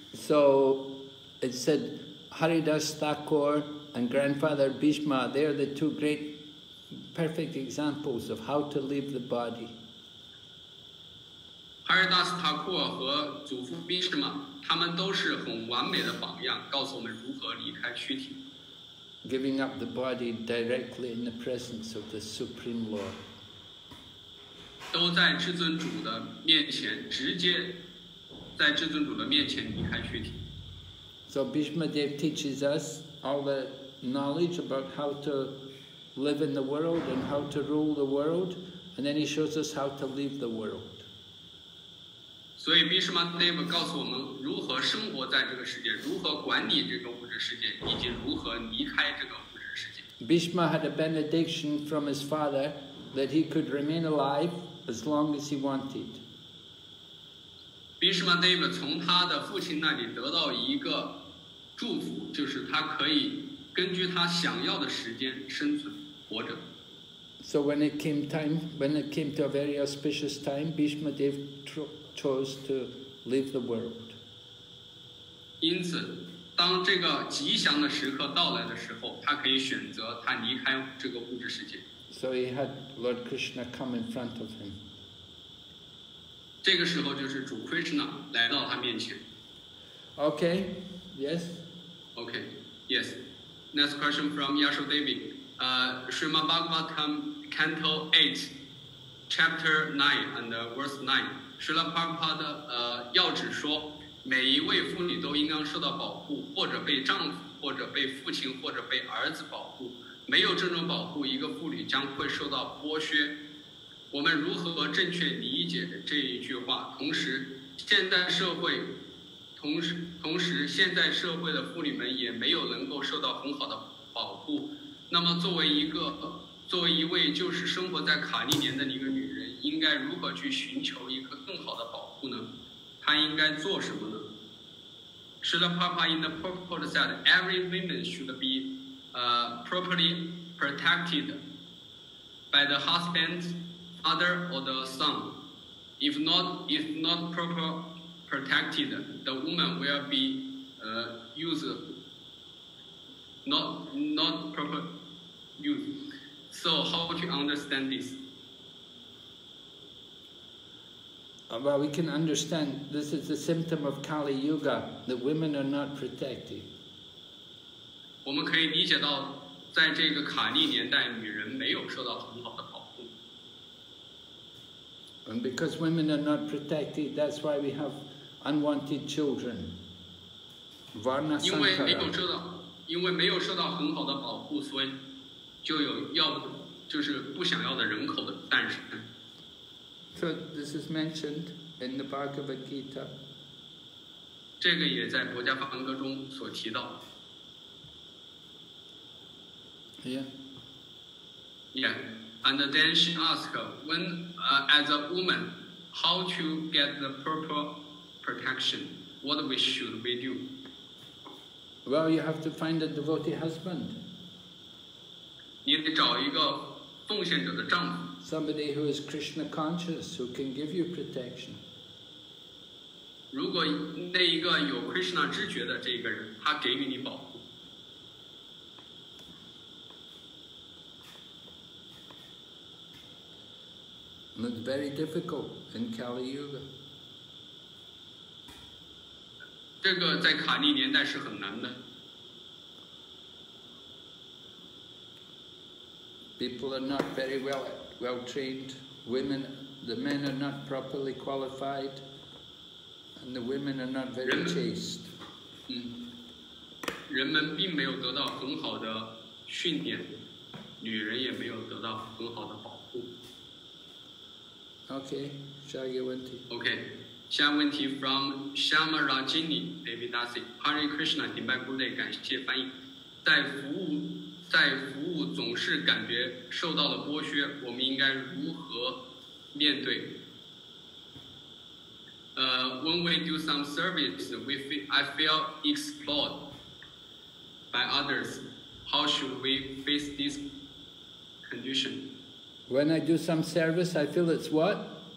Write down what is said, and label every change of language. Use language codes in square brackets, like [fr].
[en] So it said, Haridas Thakur and Grandfather Bhishma, they are the two great, perfect examples of how to leave the body. [zh] Haridas Thakur 和祖父 Bhishma 他们都是很完美的榜样，告诉我们如何离开躯体。 [en] Giving up the body directly in the presence of the Supreme Lord. [zh] 都在至尊主的面前，直接在至尊主的面前离开躯体。 [en] So Bhishma Dev teaches us all the knowledge about how to live in the world and how to rule the world, and then he shows us how to leave the world. [zh] 所以 Bhishma Dev 告诉我们如何生活在这个世界，如何管理这个物质世界，以及如何离开这个物质世界。 [en] Bhishma had a benediction from his father that he could remain alive as long as he wanted. [zh] Bhishma Dev 从他的父亲那里得到一个祝福，就是他可以根据他想要的时间生存活着。 [en] So when it came to a very auspicious time, Bhishma Dev chose to leave the world. [zh] 因此，当这个吉祥的时刻到来的时候，他可以选择他离开这个物质世界。 [en] So he had Lord Krishna come in front of him. [zh] 这个时候就是主 Krishna 来到他面前。 [en] Okay. Yes. Okay. Yes. Next question from Yashodevi. Srimad Bhagavatam, Canto 8, Chapter 9 and Verse 9. [zh] 舍拉帕帕的要旨说，每一位妇女都应当受到保护，或者被丈夫，或者被父亲，或者被儿子保护。没有这种保护，一个妇女将会受到剥削。我们如何正确理解这一句话？同时现代社会的妇女们也没有能够受到很好的保护。那么作为一位就是生活在卡利年的一个女人，应该如何去寻求一个更好的保护呢？她应该做什么呢？ [en] Srila Prabhupada in the purport said every woman should be properly protected by the husband, father or the son. If not properly protected, the woman will be used. Not properly used. So, how would you understand this? Well, we can understand this is a symptom of Kali Yuga, that women are not protected. [zh] 我们可以理解到在这个卡利年代女人没有受到很好的保护。 [en] And because women are not protected, that's why we have unwanted children. [sa] Varna Sankara. [zh] 因为没有受到很好的保护，所以就有要就是不想要的人口的诞生。 [en] So this is mentioned in the Bhagavad Gita. [zh] 这个也在《博伽梵歌》中所提到。 [en] Yeah. Yeah. And then she asked, when, as a woman, how to get the proper protection? What we should we do? Well, you have to find a devotee husband. [zh] 你得找一个奉献者的丈夫。 [en] Somebody who is Krishna conscious, who can give you protection. [zh] 如果那一个有 Krishna 知觉的这个人，他给予你保护。 [en] And it's very difficult in Kali Yuga. [zh] 这个在卡利年代是很难的。 [en] People are not very well trained. Women, the men are not properly qualified, and the women are not very chaste. [zh] 人们并没有得到很好的训练，女人也没有得到很好的保护。 Okay, 下一个问题。 Okay, 下一个问题 from Shama Rajini Devidasi. Hare Krishna, 顶拜古内，感谢翻译，在服务。在服务总是感觉受到了剥削，我们应该如何面对？ [en] When we do some service, I feel exploited by others. How should we face this condition? When I do some service, I feel it's what?